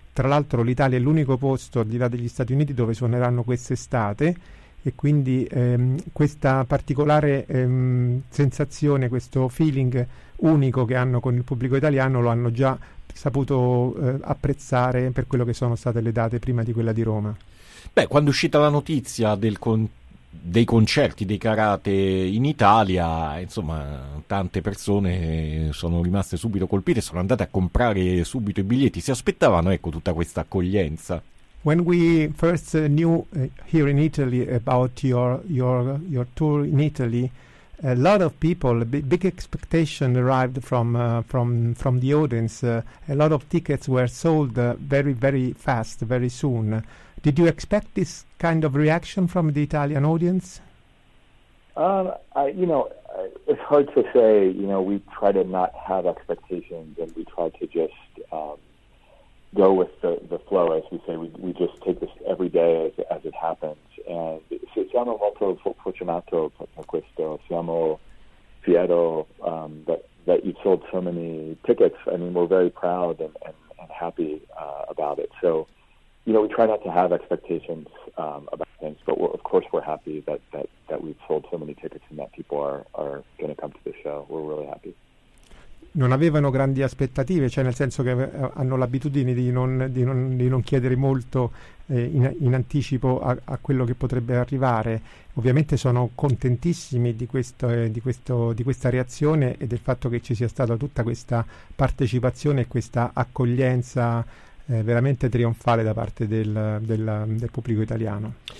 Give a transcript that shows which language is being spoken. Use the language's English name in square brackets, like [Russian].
[Italian] Tra l'altro l'Italia è l'unico posto al di là degli Stati Uniti dove suoneranno quest'estate, e quindi questa particolare sensazione, questo feeling unico che hanno con il pubblico italiano lo hanno già saputo apprezzare per quello che sono state le date prima di quella di Roma. Beh, quando è uscita la notizia dei concerti dei Karate in Italia, insomma, tante persone sono rimaste subito colpite, sono andate a comprare subito i biglietti, si aspettavano, ecco, tutta questa accoglienza. [English] When we first knew here in Italy about your tour in Italy, a lot of people, big expectation arrived from the audience. A lot of tickets were sold very, very fast, very soon. Did you expect this kind of reaction from the Italian audience? It's hard to say. You know, we try to not have expectations, and we try to just go with the flow, as we say. We just take this every day as it happens. And se siamo molto fortunato per questo. Siamo fiero that you've sold so many tickets. I mean, we're very proud and happy about it. So, you know, we try not to have expectations about things, but of course we're happy that we've sold so many tickets and that people are going to come to the show. We're really happy. [Italian] Non avevano grandi aspettative, cioè nel senso che hanno l'abitudine di non chiedere molto in anticipo a quello che potrebbe arrivare. Ovviamente sono contentissimi di questa reazione e del fatto che ci sia stata tutta questa partecipazione e questa accoglienza veramente trionfale da parte del pubblico italiano.